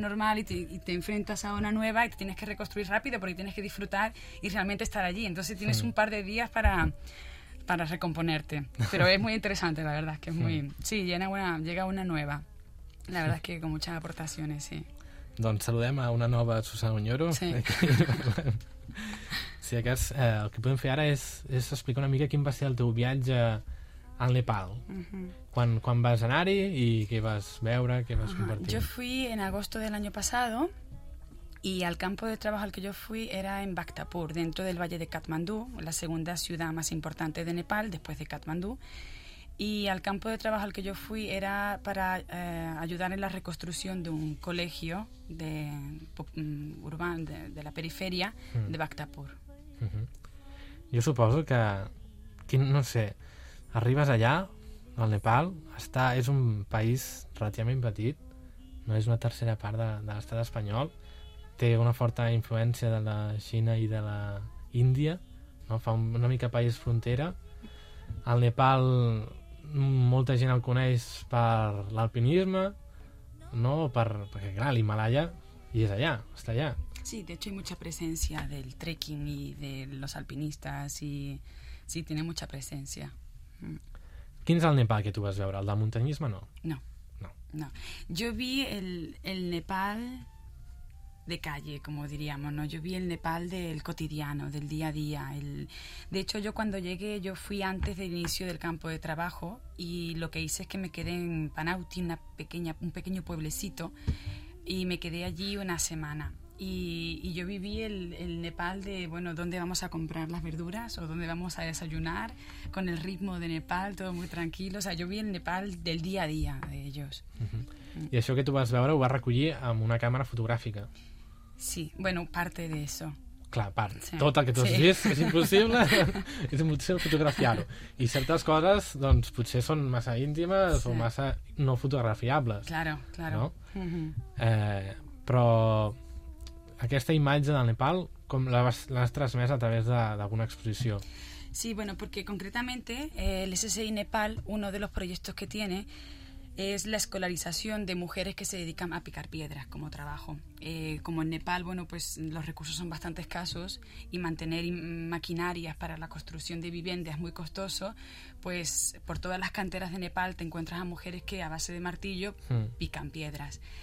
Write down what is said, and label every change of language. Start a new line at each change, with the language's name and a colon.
Spanish: normal, y te enfrentas a una nueva y te tienes que reconstruir rápido porque tienes que disfrutar y realmente estar allí. Entonces tienes un par de días para recomponerte, pero es muy interesante, la verdad, que es muy... Sí, llega una nueva, la verdad es que con muchas aportaciones, sí.
Catalan: Doncs saludem a una nova Susana Onyoro. Sí. Si de cas, el que podem fer ara és explicar una mica quin va ser el teu viatge al Nepal. Uh-huh. Quan vas anar-hi i què vas veure, què vas compartir?
Spanish: Jo fui en agosto del año pasado y al campo de trabajo al que yo fui era en Bhaktapur, dentro del valle de Katmandú, la segunda ciudad más importante de Nepal después de Katmandú. Y al campo de trabajo al que yo fui era para ayudar en la reconstrucción de un colegio de la periferia de Bhaktapur. Uh-huh. Yo supongo que no sé, arribas allá al Nepal, es un país relativamente
Catalan: petit, no es una tercera part de l'estat espanyol. Té una forta influència de la Xina i de la Índia, no? Fa una mica país frontera. El Nepal, molta gent el coneix per l'alpinisme, no? Perquè, clar, l'Himàlaia hi és allà, està allà.
Spanish: Sí, de hecho hay mucha presencia del trekking y de los alpinistas y sí, tiene mucha presencia.
Catalan: Quin és el Nepal que tu vas veure? El de muntanyisme, no? No. No.
Spanish: No. Yo vi el Nepal... de calle, como diríamos, ¿no? Yo vi el Nepal del cotidiano, del día a día. De hecho, yo cuando llegué, yo fui antes del inicio del campo de trabajo y lo que hice es que me quedé en Panauti, un pequeño pueblecito, y me quedé allí una semana. Y yo viví el Nepal de, bueno, ¿dónde vamos a comprar las verduras? ¿O dónde vamos a desayunar? Con el ritmo de Nepal, todo muy tranquilo. O sea, yo vi el Nepal del día a día de ellos. Uh-huh. Y eso que tú vas a ver, ¿lo vas a recoger con una cámara fotográfica? Sí, bueno, parte de eso.
Catalan: Clar, part. Sí. Tot el que tu has vist és impossible. És impossible fotografiar-ho. I certes coses, doncs, potser són massa íntimes sí. o massa no fotografiables.
Spanish: Claro, claro.
Catalan: No? Uh-huh. Però... aquesta imatge del Nepal, com l'has transmès a través d'alguna exposició?
Spanish: Sí, bueno, porque concretamente el SSI Nepal, uno de los proyectos que tiene es la escolarización de mujeres que se dedican a picar piedras como trabajo. Como en Nepal, bueno, pues los recursos son bastante escasos y mantener maquinarias para la construcción de viviendas es muy costoso, pues por todas las canteras de Nepal te encuentras a mujeres que a base de martillo pican piedras.